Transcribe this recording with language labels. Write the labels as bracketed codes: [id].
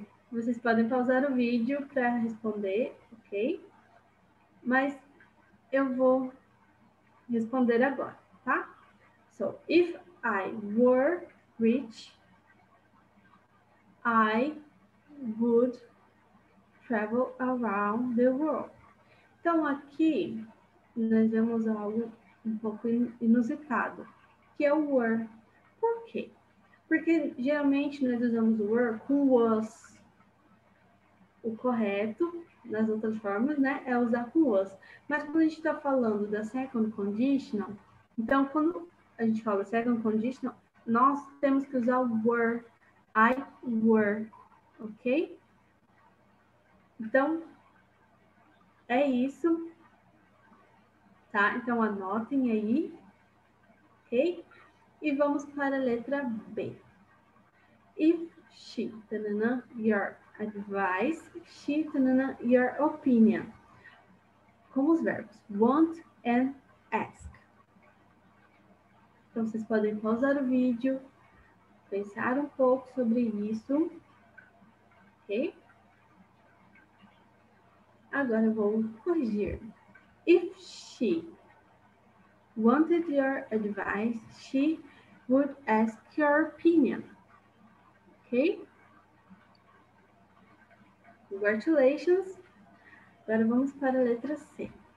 [pt] Vocês podem pausar o vídeo para responder, ok? Mas eu vou responder agora, tá? [en] So, if I were rich, I would travel around the world. [pt] Então, aqui, nós vemos algo um pouco inusitado, que é o were. Por quê? Porque, geralmente, nós usamos o were com was. O correto, nas outras formas, né, é usar com was. Mas, quando a gente está falando da second conditional, então, quando a gente fala second conditional, nós temos que usar o were, I were, ok? Então, é isso, tá? Então, anotem aí, ok? E vamos para a letra B. [en] If she, your advice, she, your opinion. [pt] Com os verbos [en] want and ask. [pt] Então, vocês podem pausar o vídeo, pensar um pouco sobre isso, ok? Agora eu vou corrigir. [en] If she wanted your advice, she would ask your opinion. Ok? [pt] Congratulations. Agora vamos para a letra C.